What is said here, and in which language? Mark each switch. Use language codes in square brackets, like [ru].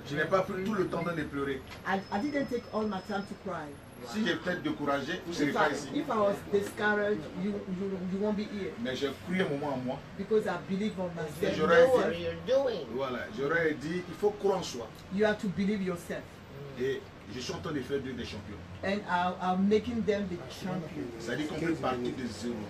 [fr] Je n'ai pas pris tout le temps de pleurer. [en] I didn't take all my time to cry. [fr] Si j'ai peut-être découragé, vous serez pas ici. [en] If I was discouraged, you won't be here. [fr] Mais j'ai cru un moment en moi. [en] Because I believe on myself. [fr] Et j'aurais dit, [en] what you're doing. [fr] Voilà, j'aurais dit, il faut croire en soi. [en] You have to believe yourself. [fr] Et je suis en train de faire d'eux des champions. [en] And I'm making them the champions. [fr] Ça veut dire qu'on peut partir de zéro.